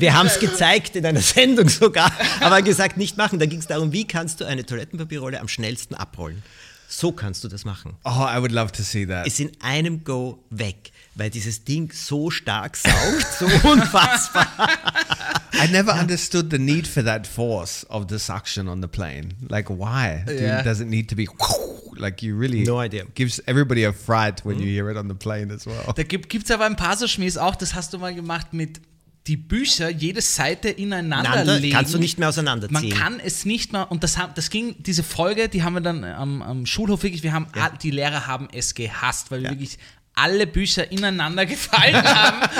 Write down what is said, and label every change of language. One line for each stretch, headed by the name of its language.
German: Wir haben es gezeigt in einer Sendung sogar, aber gesagt, nicht machen. Da ging es darum, wie kannst du eine Toilettenpapierrolle am schnellsten abrollen. So kannst du das machen.
English: Oh, I would love to see that.
German: Ist in einem Go weg, weil dieses Ding so stark saugt, so unfassbar.
English: I never understood the need for that force of the suction on the plane. Like, why? Does it need to be... Like you really no idea. Gives everybody a fright when you hear it on the plane as well.
German: Da gibt es aber ein paar so Schmies auch, das hast du mal gemacht mit die Bücher, jede Seite ineinander legen. Kannst du nicht mehr auseinanderziehen. Man kann es nicht mehr, und das ging, diese Folge, die haben wir dann am Schulhof wirklich, die Lehrer haben es gehasst, weil wir wirklich alle Bücher ineinander gefallen haben.